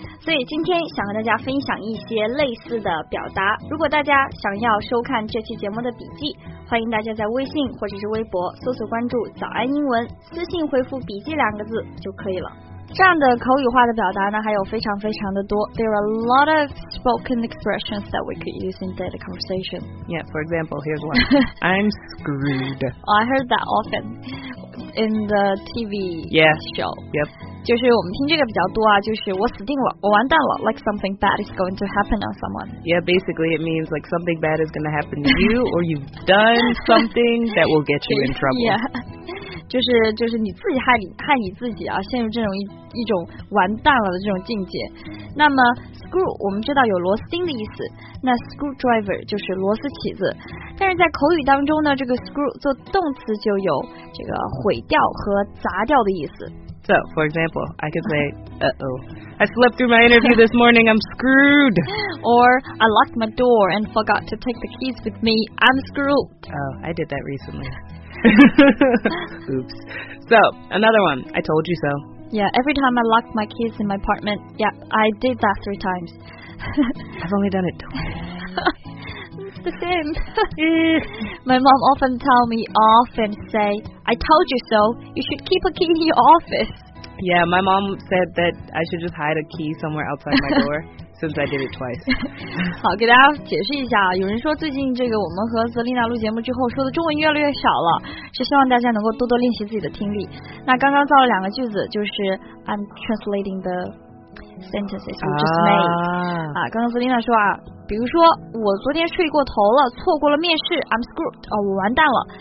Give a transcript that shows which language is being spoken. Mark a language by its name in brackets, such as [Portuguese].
[Chinese] 所以今天想和大家分享一些类似的表达。如果大家想要收看这期节目的笔记。欢迎大家在微信或者是微博搜索关注早安英文，私信回复笔记两个字就可以了。这样的口语化的表达呢还有非常非常的多。 [English] There are a lot of spoken expressions that we could use in daily conversation. Yeah, for example, here's one. I'm screwed. I heard that often in the TV show. Yep. [Chinese] 就是我们听这个比较多啊，就是我死定了，我完蛋了。 [English] Like something bad is going to happen on someone. Yeah, basically it means like something bad is going to happen to you or you've done something that will get you in trouble. Yeah. [Chinese] 就是你自己害你自己啊，陷入这种一种完蛋了的这种境界。那么 screw 我们知道有螺丝钉的意思，那 screwdriver 就是螺丝起子，但是在口语当中呢，这个 screw 做动词就有这个毁掉和砸掉的意思。 [English] So, for example, I could say, I slept through my interview this morning, I'm screwed. Or, I locked my door and forgot to take the keys with me, I'm screwed. Oh, I did that recently. Oops. So, another one, I told you so. Yeah, every time I locked my keys in my apartment, yeah, I did that 3 times. I've only done it twice. It's the same. My mom often tell me off and say, I told you so, you should keep a key in your office. Yeah, my mom said that I should just hide a key somewhere outside my door. Since I did it twice. [Chinese] 好，给大家解释一下，有人说最近这个我们和泽丽娜录节目之后说的中文越来越少了，是希望大家能够多多练习自己的听力。那刚刚造了两个句子，就是 [English] I'm translating the sentences we just made. [Chinese] 啊，刚刚泽丽娜说啊，比如说我昨天睡过头了，错过了面试， [English] I'm screwed. [Chinese] 哦，我完蛋了。